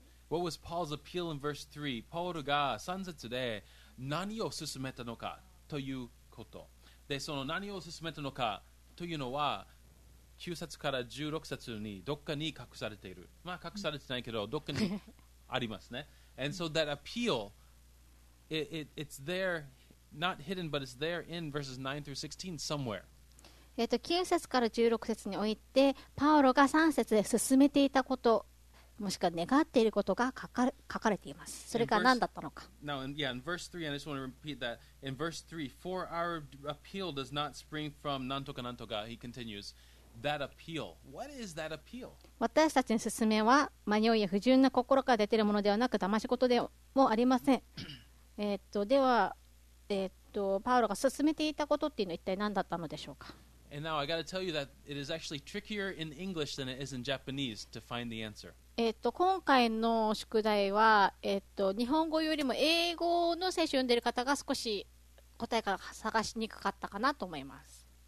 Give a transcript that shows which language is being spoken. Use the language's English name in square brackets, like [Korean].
[English] What was Paul's appeal in verse 3? Paul [Japanese] が3節で何を勧めたのかということ。で、その何を勧めたのかというのは、9節から16節にどっかに隠されている。まあ隠されてないけど、どっかにありますね。 [English] And so that appeal, it's there, not hidden, but it's there in verses 9 through 16 somewhere. [Japanese] 9節から16節において、パウロが3節で勧めていたこと。もしくは願っていることが書かれていますそれが何だったのか [English] Now, in, yeah, in verse 3, I just want to repeat that in verse 3, for our appeal does not spring from [Japanese] なんとかなんとか [English] he continues, that appeal what is that appeal? [Japanese] 私たちの勧めは迷いや不純な心から出ているものではなく騙し事でもありませんではパウロが勧めていたことっていうのは一体何だったのでしょうか [English] And now I got to tell you that it is actually trickier in English than it is in Japanese to find the answer [Japanese] 今回の宿題は、日本語よりも英語の聖書を読んでいる方が少し答えが探しにくかったかなと思います。